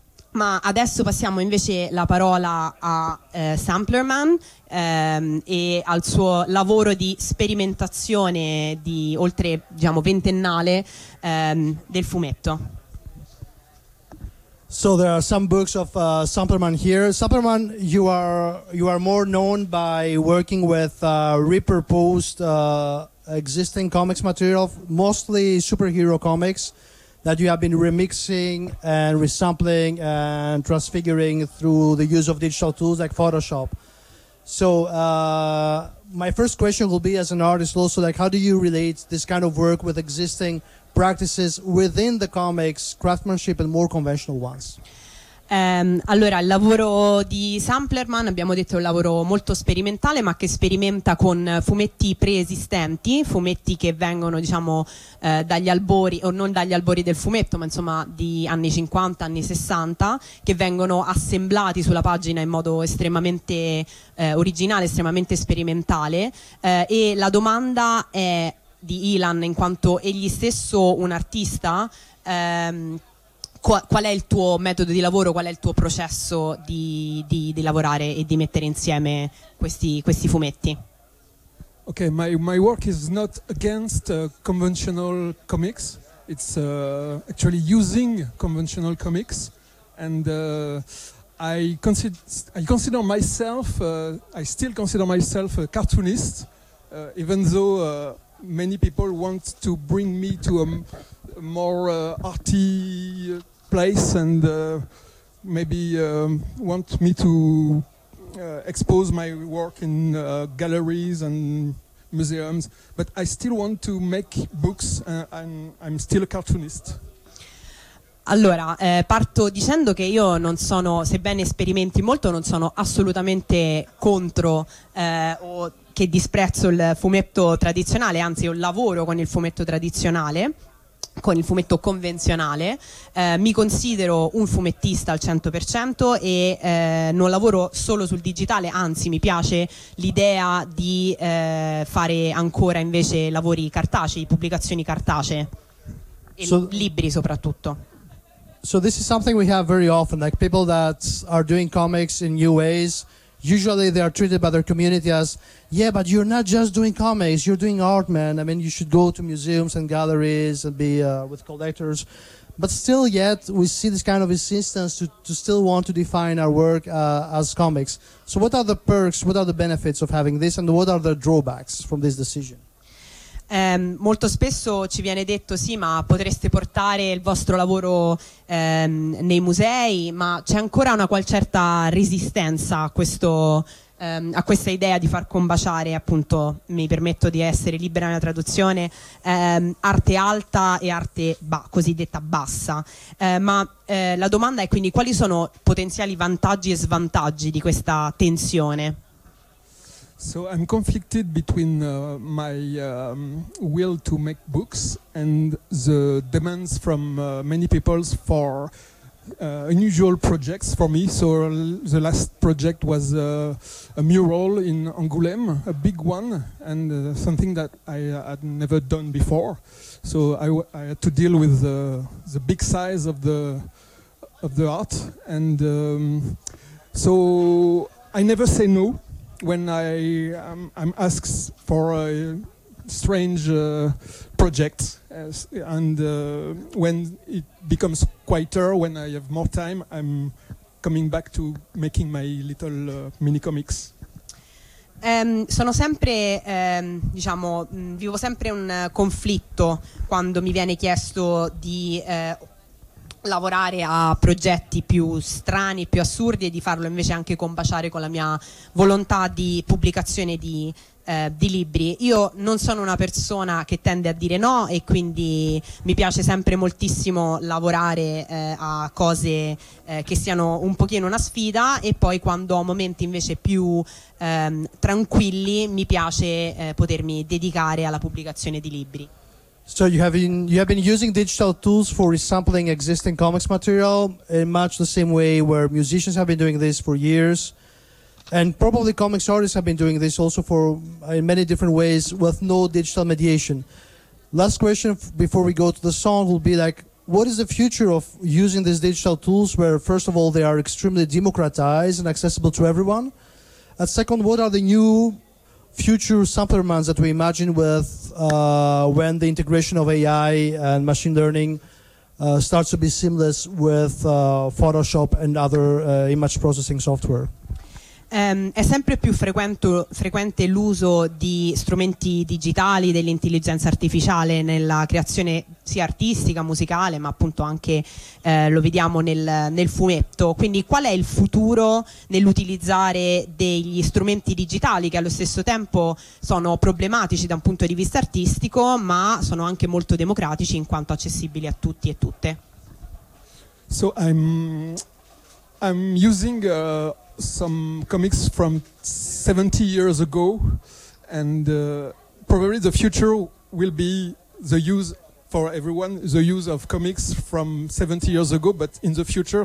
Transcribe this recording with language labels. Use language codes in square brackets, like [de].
[it] Ma adesso passiamo invece la parola a Samplerman e al suo lavoro di sperimentazione di oltre, diciamo, ventennale del fumetto. [en] So there are some books of Samplerman here. Samplerman, you are more known by working with repurposed existing comics material, mostly superhero comics, that you have been remixing and resampling and transfiguring through the use of digital tools like Photoshop. So my first question will be, as an artist also, like, how do you relate this kind of work with existing practices within the comics, craftsmanship and more conventional ones? [it] Allora, il lavoro di Samplerman, abbiamo detto, è un lavoro molto sperimentale, ma che sperimenta con fumetti preesistenti, fumetti che vengono, diciamo, dagli albori, o non dagli albori del fumetto, ma insomma di anni 50, anni 60, che vengono assemblati sulla pagina in modo estremamente originale, estremamente sperimentale. E la domanda è di Ilan, in quanto egli stesso un artista, qual è il tuo metodo di lavoro, qual è il tuo processo di lavorare e di mettere insieme questi fumetti? [en] Okay, my work is not against conventional comics. It's actually using conventional comics, and I still consider myself a cartoonist, even though many people want to bring me to a more arty place and maybe want me to expose my work in galleries and museums, but I still want to make books and I'm still a cartoonist. [it] Allora, parto dicendo che io non sono, sebbene sperimenti molto, non sono assolutamente contro o che disprezzo il fumetto tradizionale, anzi io lavoro con il fumetto tradizionale, con il fumetto convenzionale. Mi considero un fumettista al 100% e non lavoro solo sul digitale, anzi mi piace l'idea di fare ancora invece lavori cartacei, pubblicazioni cartacee, e libri soprattutto. [en] So this is something we have very often, like people that are doing comics in new ways, usually they are treated by their community as, yeah, but you're not just doing comics, you're doing art, man. I mean, you should go to museums and galleries and be with collectors. But still yet, we see this kind of insistence to still want to define our work as comics. So what are the perks, what are the benefits of having this, and what are the drawbacks from this decision? [it] Molto spesso ci viene detto sì, ma potreste portare il vostro lavoro nei musei, ma c'è ancora una certa resistenza a questo, a questa idea di far combaciare, appunto, mi permetto di essere libera nella traduzione, arte alta e arte cosiddetta bassa. Ma la domanda è quindi: quali sono potenziali vantaggi e svantaggi di questa tensione? [en] So I'm conflicted between my will to make books and the demands from many people for unusual projects for me. So the last project was a mural in Angoulême, a big one, and something that I had never done before. So I had to deal with the big size of the art. And so I never say no when I'm asked for a strange project, and when it becomes quieter, when I have more time, I'm coming back to making my little mini comics. [it] Sono sempre, diciamo, vivo sempre un conflitto quando mi viene chiesto di lavorare a progetti più strani, più assurdi, e di farlo invece anche combaciare con la mia volontà di pubblicazione di di libri. Io non sono una persona che tende a dire no, e quindi mi piace sempre moltissimo lavorare a cose che siano un pochino una sfida, e poi quando ho momenti invece più tranquilli mi piace potermi dedicare alla pubblicazione di libri. [en] So you have been using digital tools for resampling existing comics material in much the same way where musicians have been doing this for years, and probably comics artists have been doing this also for in many different ways with no digital mediation. Last question before we go to the song will be like, what is the future of using these digital tools where, first of all, they are extremely democratized and accessible to everyone? And second, what are the new future samplermans that we imagine with when the integration of AI and machine learning starts to be seamless with Photoshop and other image processing software? [it] È sempre più frequente l'uso di strumenti digitali, dell'intelligenza artificiale nella creazione sia artistica, musicale, ma appunto anche lo vediamo nel fumetto. Quindi qual è il futuro nell'utilizzare degli strumenti digitali che allo stesso tempo sono problematici da un punto di vista artistico, ma sono anche molto democratici in quanto accessibili a tutti e tutte? [en] So I'm using some comics from 70 years ago, and probably the future will be the use for everyone, the use of comics from 70 years ago, but in the future.